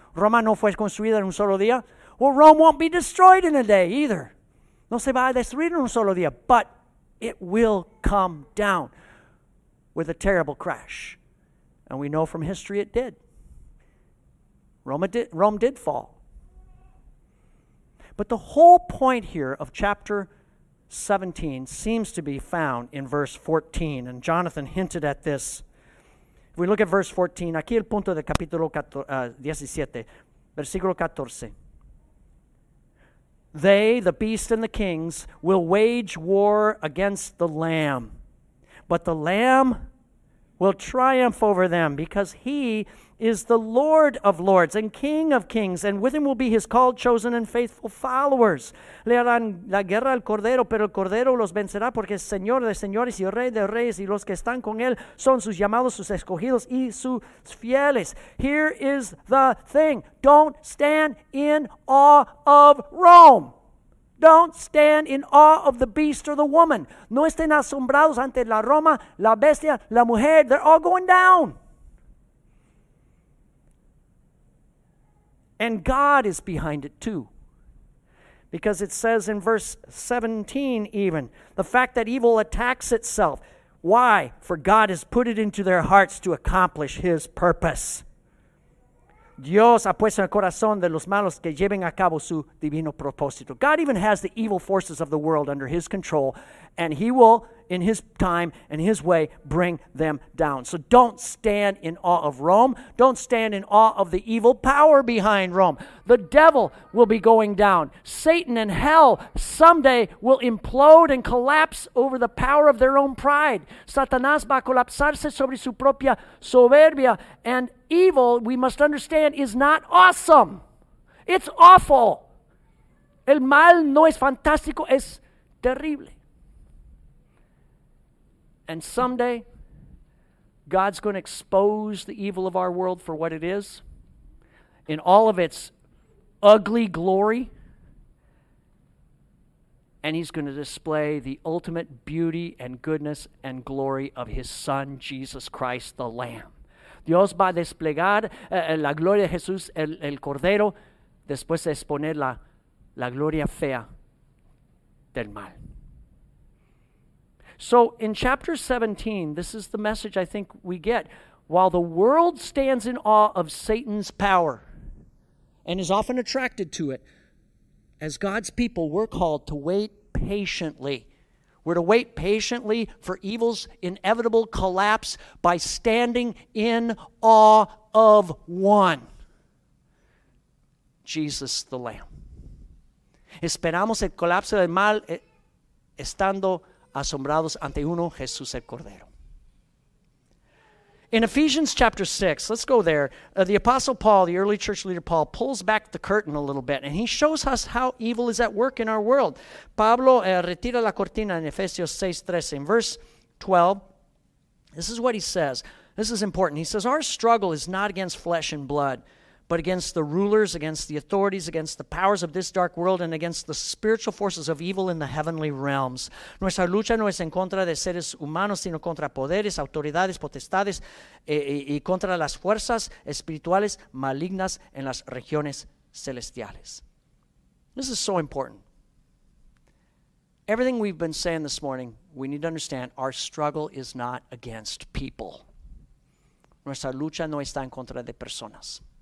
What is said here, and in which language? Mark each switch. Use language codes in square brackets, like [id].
[es] Roma no fue construida en un solo día. [en] Well, Rome won't be destroyed in a day either. [es] No se va a destruir en un solo día. [en] But it will come down with a terrible crash. And we know from history it did. Rome did fall. But the whole point here of chapter 17 seems to be found in verse 14. And Jonathan hinted at this. If we look at verse 14, [es] aquí el punto de capítulo 17, versículo 14. [en] They, the beast and the kings, will wage war against the Lamb. But the Lamb will triumph over them because he is the Lord of lords and King of kings, and with him will be his called, chosen, and faithful followers. [es] Le harán la guerra al Cordero, pero el Cordero los vencerá porque es Señor de señores y Rey de reyes, y los que están con él son sus llamados, sus escogidos y sus fieles. [en] Here is the thing. Don't stand in awe of Rome. Don't stand in awe of the beast or the woman. [es] No estén asombrados ante la Roma, la bestia, la mujer. [en] They're all going down. And God is behind it too. Because it says in verse 17 even, the fact that evil attacks itself. Why? For God has put it into their hearts to accomplish his purpose. [es] Dios ha puesto en el corazón de los malos que lleven a cabo su divino propósito. [en] God even has the evil forces of the world under his control, and he will, in his time and his way, bring them down. So don't stand in awe of Rome. Don't stand in awe of the evil power behind Rome. The devil will be going down. Satan and hell someday will implode and collapse over the power of their own pride. [es] Satanás va a colapsarse sobre su propia soberbia. [en] And evil, we must understand, is not awesome. It's awful. [es] El mal no es fantástico, es terrible. [en] And someday, God's going to expose the evil of our world for what it is, in all of its ugly glory. And he's going to display the ultimate beauty and goodness and glory of his Son, Jesus Christ, the Lamb. [es] Dios va a desplegar la gloria de Jesús, el Cordero, después de exponer la la gloria fea del mal. [en] So in chapter 17, this is the message I think we get. While the world stands in awe of Satan's power and is often attracted to it, as God's people, we're called to wait patiently. We're to wait patiently for evil's inevitable collapse by standing in awe of one, Jesus the Lamb. [es] Esperamos el colapso del mal estando asombrados ante uno, Jesús el Cordero. [en] In Ephesians chapter 6, let's go there. The Apostle Paul, the early church leader Paul, pulls back the curtain a little bit, and he shows us how evil is at work in our world. [es] Pablo retira la cortina en Efesios 6:13. [en] In verse 12, this is what he says. This is important. He says, our struggle is not against flesh and blood, but against the rulers, against the authorities, against the powers of this dark world, and against the spiritual forces of evil in the heavenly realms. [es] Nuestra lucha no es en contra de seres humanos, sino contra poderes, autoridades, potestades, y contra las fuerzas espirituales malignas en las regiones celestiales. [en] This is so important. Everything we've been saying this morning, we need to understand our struggle is not against people. [es] Nuestra lucha no está en contra de personas.